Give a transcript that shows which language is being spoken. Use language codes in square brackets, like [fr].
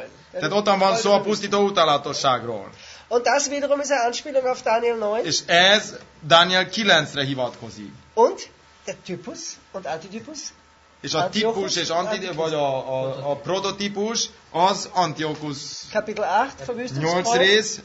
[hu] Tehát ott van szó a pusztító utálatosságról. [de] Und das wiederum ist eine Anspielung auf Daniel 9. [hu] És ez Daniel 9-re hivatkozik. [de] Und der Typus und Antitypus? [hu] És a típus és antitypus, vagy a prototípus az Antiochus. [de] Kapitel 8, Verwüstungsgräuel.